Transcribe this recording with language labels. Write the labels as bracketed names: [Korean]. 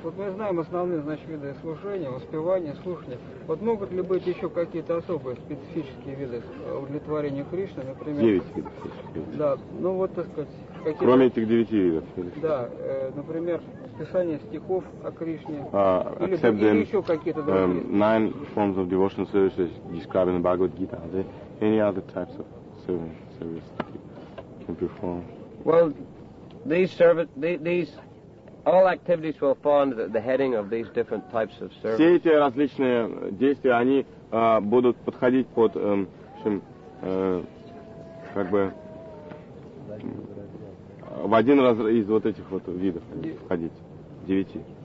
[Russian] Вот мы знаем основные, значит, виды слушания, воспевания, слушания. Вот могут ли быть еще какие-то особые специфические виды удовлетворения Кришны, например? Девять видов. Да, ну вот, так сказать, какие-то... Кроме этих девяти видов. Да, например, писание стихов о Кришне. [English] Except [Russian] или еще какие-то другие. [English] Nine forms of devotional services described in the Bhagavad Gita. Are there any other types of service that you can perform? Well, these all activities will fall under the heading of these different types of service. [Russian] Все эти различные действия, они будут подходить под, в общем, как бы в один раз из вот этих вот видов входить девяти.